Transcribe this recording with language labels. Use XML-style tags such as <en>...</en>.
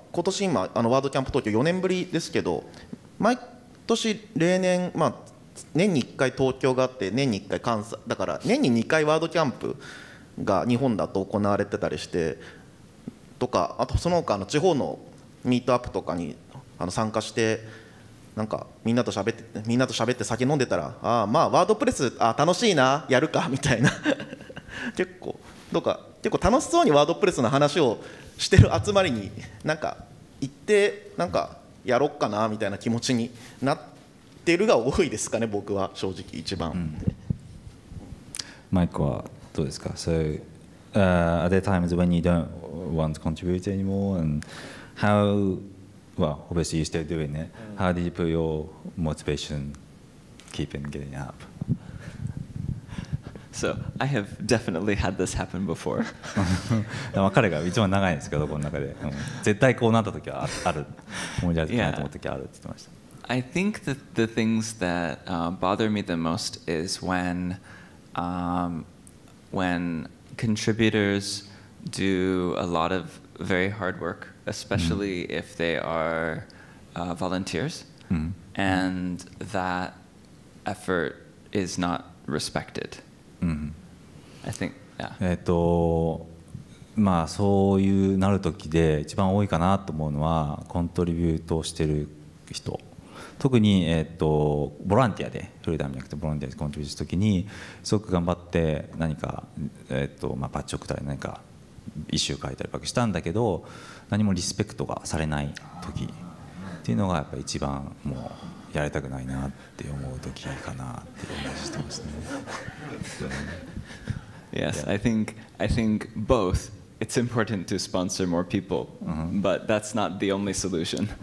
<ja>今年今あのワードキャンプ東京4年ぶりですけど、毎年例年、まあ、年に1回東京があって、年に1回関西だから、年に2回ワードキャンプが日本だと行われてたりしてとか、あとその他の地方のミートアップとかに参加して、なんかみんなと喋って酒飲んでたら、ああまあワードプレス、あ楽しいな、やるかみたいな結構楽しそうにワードプレスの話をしてる集まりに、なんか行ってなんかやろっかなみたいな気持ちになってるが多いですかね、僕は正直一番、うん、マイクはどうですか？</ja> <en>So, are there times when you don't want to contribute anymore? And how, well, obviously you're still doing it. How do you put your motivation keeping getting up? So I have definitely had this happen before. Yeah. I think that the things that bother me the most is when contributors do a lot of very hard work, especially if they are volunteers, and that effort is not respected. Mm-hmm. I think, yeah.</en> <ja>まあそういうなる時で一番多いかなと思うのはコントリビュートしてる人、特に、ボランティアでフルタイムじゃなくてボランティアでコントリビューする時にすごく頑張って何か、まあ、パッチ送ったり何か一周書いたりばっかりしたんだけど、何もリスペクトがされない時っていうのがやっぱ一番もうやりたくないなって思う時かなって思ってますね。</ja> <en>Yes, I think both. It's important to sponsor more people, but that's not the only solution.</en>